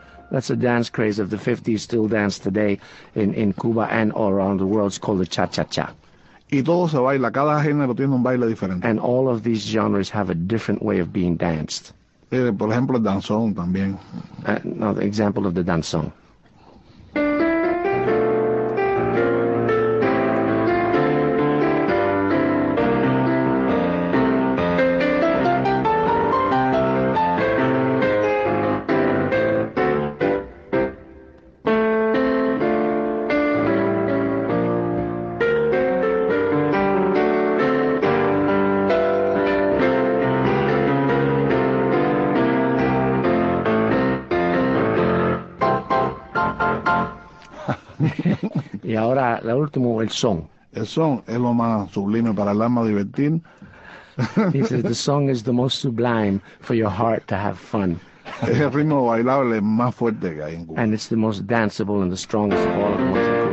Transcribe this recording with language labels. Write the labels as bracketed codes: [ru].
[en] That's a dance craze of the 50s, still dance today in Cuba and all around the world. It's called the cha-cha-cha. [es] Y todo se baila, cada género tiene un baile diferente. [en] And all of these genres have a different way of being danced. [es] Por ejemplo, el danzón también. [en] Another example of the danzón. [es] Y ahora, lo último, el son. El son es lo más sublime para el alma divertir. [en] He says, the song is the most sublime for your heart to have fun. [es] Es el ritmo bailable más fuerte que hay en Cuba. [en] And it's the most danceable and the strongest of all of them.